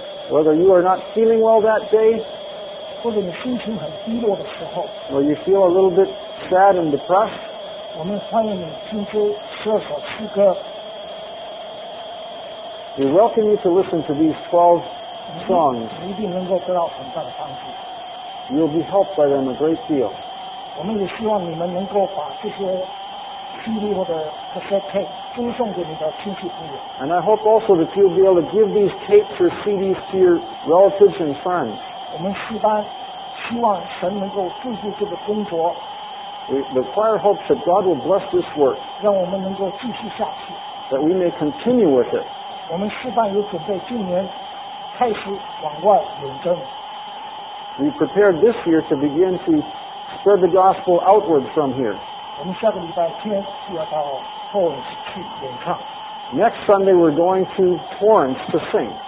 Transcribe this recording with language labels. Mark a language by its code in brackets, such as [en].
[en] Whether you are not feeling well that day or you feel a little bit sad and depressed, [zh] 我们欢迎你听说这首诗歌。 [en] We welcome you to listen to these 12 songs. [zh] 你一定能够得到很大的帮助。 [en] You'll be helped by them a great deal. [zh] 我们也希望你们能够把这些 CD 或者 cassette tape 赠送给你的亲戚朋友。 [en] And I hope also that you'll be able to give these tapes or CDs to your relatives and friends. [zh] 我们四班希望神能够祝福这个工作。 [en] The choir hopes that God will bless this work. [zh] 让我们能够继续下去。 [en] That we may continue with it. [zh] 我们示范有准备今年开始往外远征。 [en] We prepared this year to begin to spread the gospel outward from here. [zh] 我们下个礼拜天就要到 Torrance 去演唱。 [en] Next Sunday we're going to Torrance to sing.